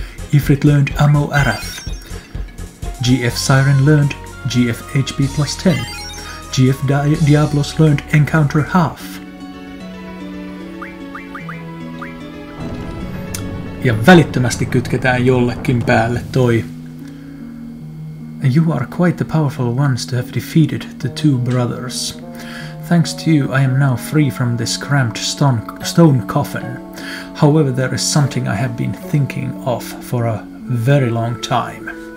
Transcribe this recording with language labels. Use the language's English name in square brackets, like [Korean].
[English] Ifrit learned ammo arath. GF Siren learned GF HP plus 10. GF Diablos learned encounter half. [Finnish] Ja välittömästi kytketään jollekin päälle toi. [English] You are quite the powerful ones to have defeated the two brothers. Thanks to you, I am now free from this cramped stone coffin. However, there is something I have been thinking of for a very long time.